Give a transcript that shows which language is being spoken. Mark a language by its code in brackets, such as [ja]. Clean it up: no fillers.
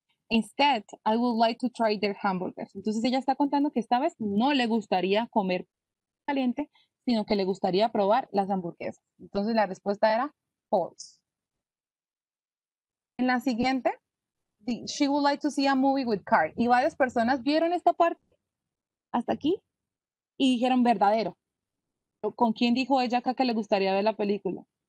[en] Instead, I would like to try their hamburgers. [es] Entonces ella está contando que esta vez no le gustaría comer caliente, sino que le gustaría probar las hamburguesas. Entonces la respuesta era false. En la siguiente, [en] she would like to see a movie with Carl. [es] Y varias personas vieron esta parte hasta aquí y dijeron verdadero. ¿Con quién dijo ella acá que le gustaría ver la película?